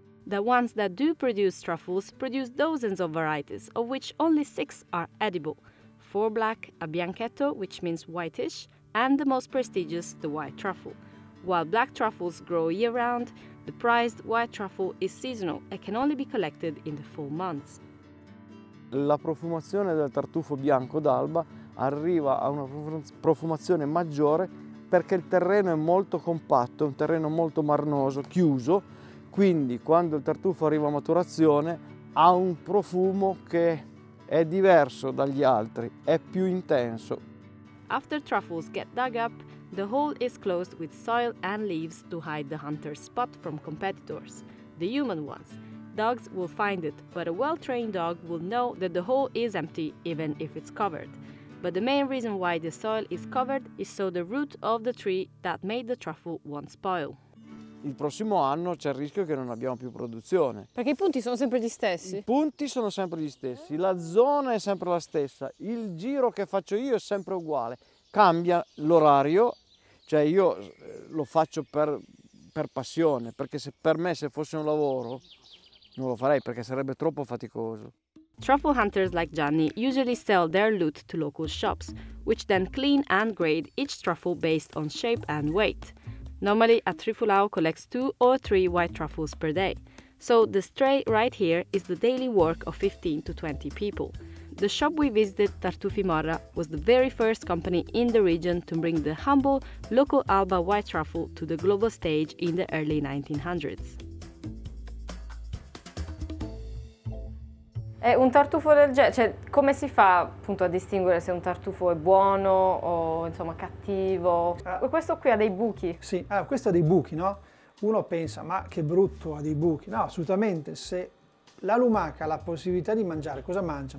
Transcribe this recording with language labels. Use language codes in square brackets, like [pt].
[en] The ones that do produce truffles produce dozens of varieties, of which only 6 are edible. 4 black, a bianchetto, which means whitish, and the most prestigious, the white truffle. While black truffles grow year-round, the prized white truffle is seasonal and can only be collected in the fall months. [it] La profumazione del tartufo bianco d'alba arriva a una profumazione maggiore perché il terreno è molto compatto, è un terreno molto marnoso, chiuso, quindi quando il tartufo arriva a maturazione ha un profumo che è diverso dagli altri, è più intenso. [en] After truffles get dug up, the hole is closed with soil and leaves to hide the hunter's spot from competitors, the human ones. Dogs will find it, but a well-trained dog will know that the hole is empty even if it's covered. But the main reason why the soil is covered is so the root of the tree that made the truffle won't spoil. [it] Il prossimo anno c'è il rischio che non abbiamo più produzione. Perché i punti sono sempre gli stessi? I punti sono sempre gli stessi, la zona è sempre la stessa, il giro che faccio io è sempre uguale. cambia l'orario, cioè io lo faccio per passione, perché se per me se fosse un lavoro non lo farei perché sarebbe troppo faticoso. [en] Truffle hunters like Gianni usually sell their loot to local shops, which then clean and grade each truffle based on shape and weight. Normally, a trifulao collects 2 or 3 white truffles per day. So this tray right here is the daily work of 15 to 20 people. The shop we visited, Tartufi Morra, was the very first company in the region to bring the humble local Alba white truffle to the global stage in the early 1900s. [it] È un tartufo del genere, cioè come si fa appunto a distinguere se un tartufo è buono o insomma cattivo? Questo qui ha dei buchi. Sì, allora, questo ha dei buchi, no? Uno pensa, ma che brutto, ha dei buchi. No, assolutamente, se la lumaca ha la possibilità di mangiare, cosa mangia?